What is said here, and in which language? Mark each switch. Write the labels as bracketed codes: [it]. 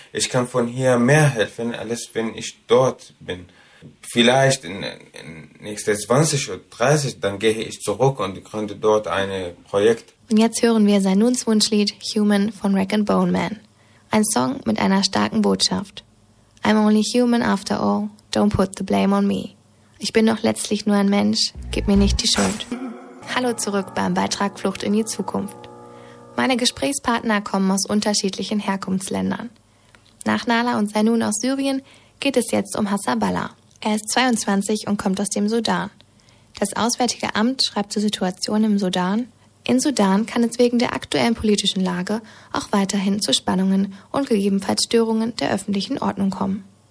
[de] Ich kann von hier mehr helfen, als wenn ich dort bin. Vielleicht in nächsten 20 oder 30, dann gehe ich zurück und gründe dort ein Projekt. Und jetzt hören wir Zainouns Wunschlied Human von Rag & Bone Man. Ein Song mit einer starken Botschaft. [en] I'm only human after all, don't put the blame on me. [de] Ich bin doch letztlich nur ein Mensch, gib mir nicht die Schuld. Hallo zurück beim Beitrag Flucht in die Zukunft. Meine Gesprächspartner kommen aus unterschiedlichen Herkunftsländern. Nach Nala und Zainoun aus Syrien geht es jetzt um Hassaballa. Er ist 22 und kommt aus dem Sudan. Das Auswärtige Amt schreibt zur Situation im Sudan: In Sudan kann es wegen der aktuellen politischen Lage auch weiterhin zu Spannungen und gegebenenfalls Störungen der öffentlichen Ordnung kommen.